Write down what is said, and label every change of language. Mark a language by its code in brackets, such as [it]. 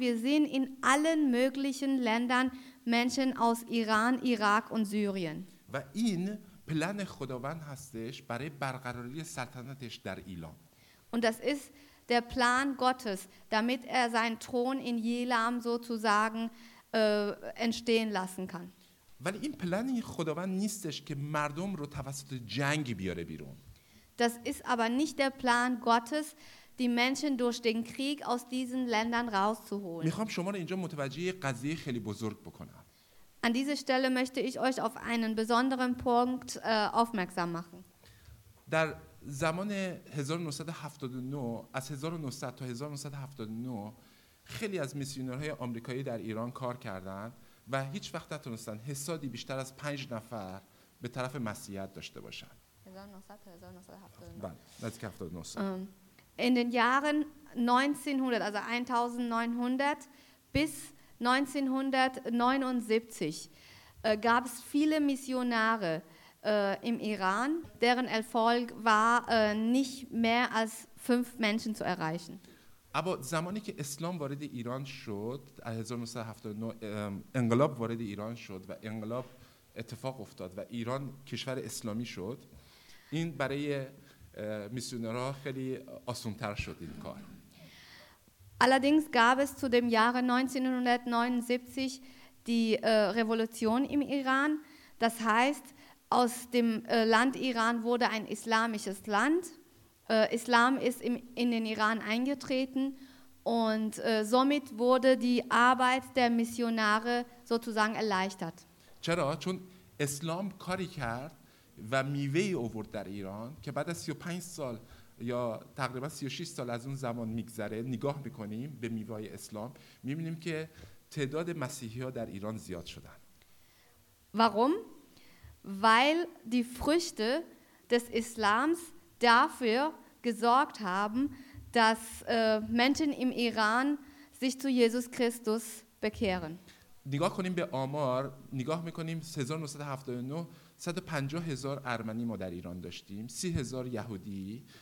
[de] Wir sehen in allen möglichen Ländern Menschen aus Iran, Irak und Syrien. [fa] و این پلن خداوند هستش برای برقراری سلطنتش در ایلام. [de] Und das ist der Plan Gottes, damit seinen Thron in Elam sozusagen entstehen lassen kann. [fa] ولی این پلن خداوند نیستش که مردم رو توسط جنگ بیاره بیرون. [de] Das ist aber nicht der Plan Gottes, die Menschen durch den Krieg aus diesen Ländern rauszuholen. [fa] میخوام شما رو اینجا متوجه قضیه خیلی بزرگ بکنم. [de] An dieser Stelle möchte ich euch auf einen besonderen Punkt aufmerksam machen. [fa] در زمان 1979 از 1900 تا 1979 خیلی از میسیونرهای آمریکایی در ایران کار کردند و هیچ وقت نتونستن حسادی بیشتر از 5 نفر به طرف مسیحیت داشته باشند. [de] 1979. In den Jahren 1900, also 1900 bis 1979 gab es viele Missionare im Iran, deren Erfolg war nicht mehr als 5 Menschen zu erreichen. Aber [fa] زمانی که اسلام وارد ایران شد، 1979 انقلاب وارد ایران شد و انقلاب اتفاق افتاد و ایران کشور اسلامی شد، این برای میسیونرها خیلی آسان‌تر شد این کار. [de] Allerdings gab es zu dem Jahre 1979 die Revolution im Iran. Das heißt, aus dem Land Iran wurde ein islamisches Land. Islam ist in den Iran eingetreten und somit wurde die Arbeit der Missionare sozusagen erleichtert. [fa] چرا؟ چون اسلام کاری کرد و میوه‌ای آورد در ایران که بعد از 35 سال یا تقریبا 36 سال از اون زمان میگذره نگاه میکنیم به میوه‌ای اسلام میبینیم که تعداد مسیحی‌ها در ایران زیاد شدن. [de] Warum? Weil die Früchte des Islams dafür gesorgt haben, dass Menschen im Iran sich zu Jesus Christus bekehren. [fa] نگاه کنیم به آمار، نگاه میکنیم 1979 150,000 ارمنی ما در ایران داشتیم، 30,000 یهودی